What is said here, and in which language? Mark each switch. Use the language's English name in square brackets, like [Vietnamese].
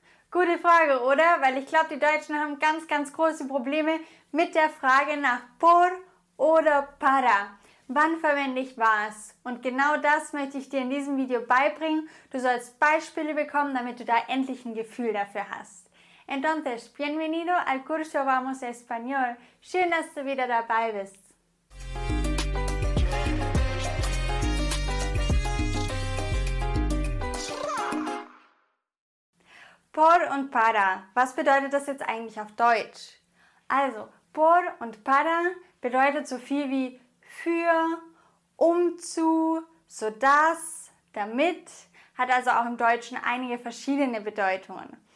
[German] Gute Frage, oder? Weil ich glaube, die Deutschen haben ganz, ganz große Probleme mit der Frage nach por oder para. Wann verwende ich was? Und genau das möchte ich dir in diesem Video beibringen. Du sollst Beispiele bekommen, damit du da endlich ein Gefühl dafür hast. [Spanish] Entonces, bienvenido al curso Vamos Español. [German] Schön, dass du wieder dabei bist. Por und para. Was bedeutet das jetzt eigentlich auf Deutsch? Also, por und para bedeutet so viel wie für, um zu, so dass, damit, hat also auch im Deutschen einige verschiedene Bedeutungen.